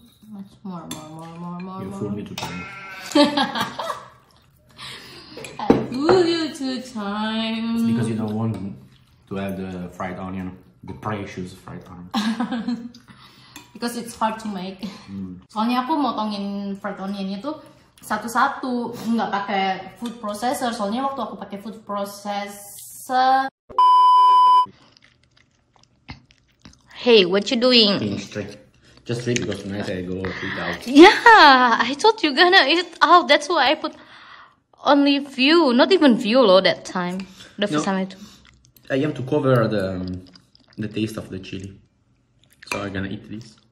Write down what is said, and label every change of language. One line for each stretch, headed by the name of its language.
English: Much more. You fooled me two times. I fooled you two times. Because you don't want to have the fried onion. The precious fried onion. Because it's hard to make.
Indonesian: Soalnya aku motongin fried onionnya tuh satu-satu, nggak pakai food processor. Soalnya waktu aku pakai food processor.
English: Hey, what you doing? Just sleep because tonight I go eat out. Yeah, I thought you gonna eat out. That's why I put only few, not even few low that time. The first time I do. I have to cover the taste of the chili, so I'm gonna eat this.